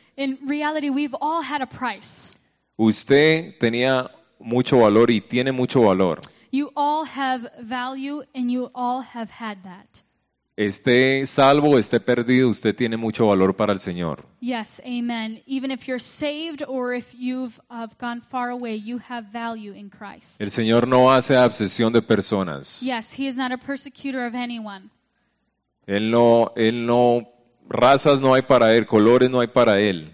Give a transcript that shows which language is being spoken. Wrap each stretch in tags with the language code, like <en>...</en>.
<en>In reality, we've all had a price.</en> <es>Usted tenía mucho valor y tiene mucho valor.</es> <en>You all have value and you all have had that.</en> <es>Esté salvo o esté perdido, usted tiene mucho valor para el Señor.</es> <en>Yes, amen. Even if you're saved or if you've gone far away, you have value in Christ.</en> <es>El Señor no hace acepción de personas.</es> <en>Yes, he is not a persecutor of anyone.</en> <es>Él no razas no hay para él, colores no hay para él.</es>